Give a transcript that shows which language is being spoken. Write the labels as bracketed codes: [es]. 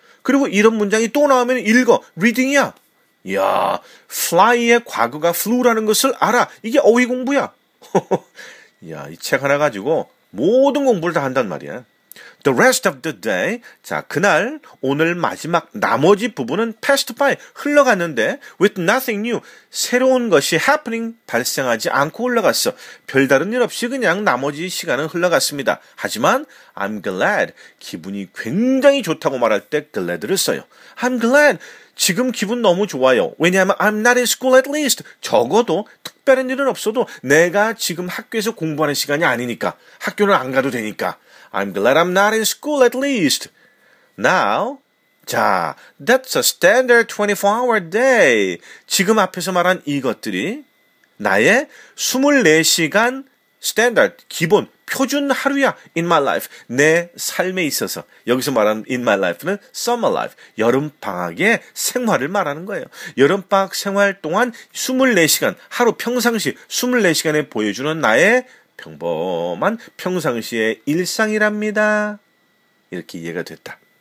[ko] 그리고 이런 문장이 또 나오면 읽어. 리딩이야. 이야, fly의 과거가 flew라는 것을 알아. 이게 어휘 공부야. 이야, 이 책 하나 가지고 모든 공부를 다 한단 말이야. [en] The rest of the day. [ko] 자, 그날, 오늘 마지막 나머지 부분은 passed by. [en] 흘러갔는데 with nothing new. [ko] 새로운 것이 happening 발생하지 않고 흘러갔어. 별다른 일 없이 그냥 나머지 시간은 흘러갔습니다. 하지만 I'm glad. 기분이 굉장히 좋다고 말할 때 glad를 써요. I'm glad. 지금 기분 너무 좋아요. [en] 왜냐하면 I'm not in school at least. [ko] 적어도 특별한 일은 없어도 내가 지금 학교에서 공부하는 시간이 아니니까. 학교는 안 가도 되니까. [en] I'm glad I'm not in school at least. Now, 자, that's a standard 24-hour day. [ko] 지금 앞에서 말한 이것들이 나의 24시간 standard, 기본, 표준 하루야, in my life, 내 삶에 있어서. 여기서 말하는 in my life 는 summer life, 여름방학의 생활을 말하는 거예요. 여름방학 생활 동안 24시간, 하루 평상시 24시간에 보여주는 나의 평범한 평상시의 일상이랍니다. 이렇게 이해가 됐다.